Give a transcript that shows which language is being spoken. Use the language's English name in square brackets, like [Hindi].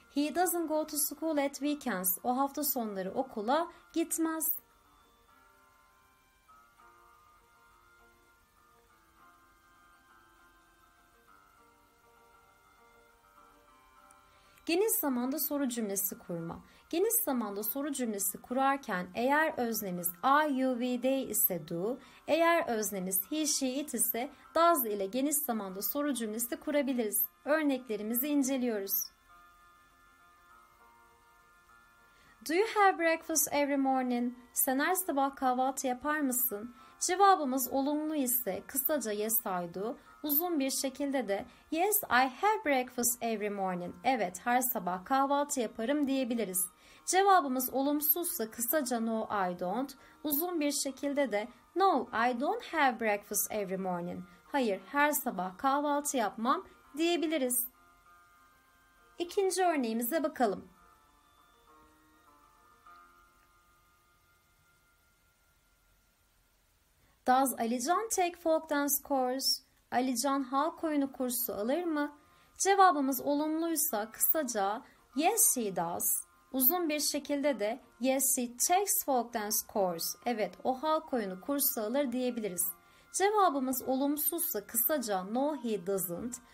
[English] He doesn't go to school at weekends. [Turkish] O hafta sonları okula gitmez. Geniş zamanda soru cümlesi kurma. Geniş zamanda soru cümlesi kurarken eğer öznemiz I, you, we, they ise do, eğer öznemiz he, she, it ise does ile geniş zamanda soru cümlesi kurabiliriz. Örneklerimizi inceliyoruz. [English] Do you have breakfast every morning? [Turkish] Sen her sabah kahvaltı yapar mısın? Cevabımız olumlu ise kısaca [English] yes I do. [Turkish] Uzun bir şekilde de [English] yes I have breakfast every morning. [Turkish] Evet, her sabah kahvaltı yaparım diyebiliriz. Cevabımız olumsuzsa kısaca [English] no I don't. [Turkish] Uzun bir şekilde de [English] no I don't have breakfast every morning. [Turkish] Hayır, her sabah kahvaltı yapmam diyebiliriz. İkinci örneğimize bakalım. [English] Does Alican take folk dance course? [Turkish] Alican halk oyunu kursu alır mı? Cevabımız olumluysa kısaca [English] yes she does. [Turkish] Uzun bir şekilde de [English] yes she takes folk dance course. [Turkish] Evet, o halk oyunu kursu alır diyebiliriz. Cevabımız olumsuzsa kısaca [English] no he doesn't.